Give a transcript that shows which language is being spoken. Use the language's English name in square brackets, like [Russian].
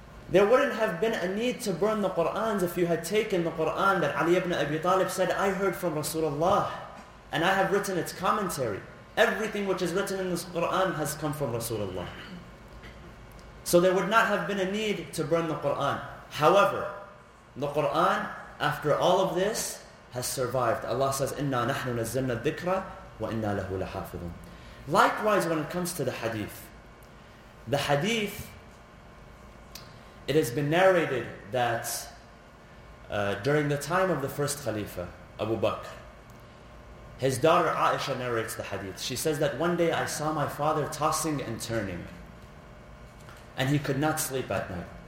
[English] There wouldn't have been a need to burn the Qur'ans if you had taken the Qur'an that Ali ibn Abi Talib said, I heard from Rasulullah, and I have written its commentary. Everything which is written in this Qur'an has come from Rasulullah. So there would not have been a need to burn the Qur'an. However, the Qur'an, after all of this, has survived. Allah says, [Arabic] إِنَّا نَحْنُ نَزَّلْنَا الذِّكْرَ وَإِنَّا لَهُ لَحَافِظٌ. [English] Likewise, when it comes to the hadith, it has been narrated that during the time of the first Khalifa, Abu Bakr, his daughter Aisha narrates the hadith. She says that one day I saw my father tossing and turning, and he could not sleep at night.